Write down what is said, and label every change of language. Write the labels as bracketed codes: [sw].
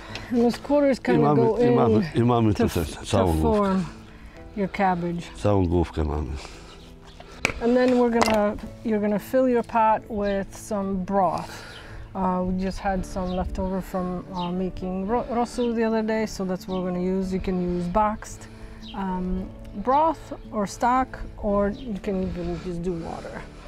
[en] Those quarters kind of go in. [pl] I mamy tutaj całą główkę. [en] Your cabbage. [pl] Całą główkę mamy. [en] And then you're gonna fill your pot with some broth. We just had some leftover from making rosu the other day, so that's what we're gonna use. You can use boxed broth or stock, or you can even just do water.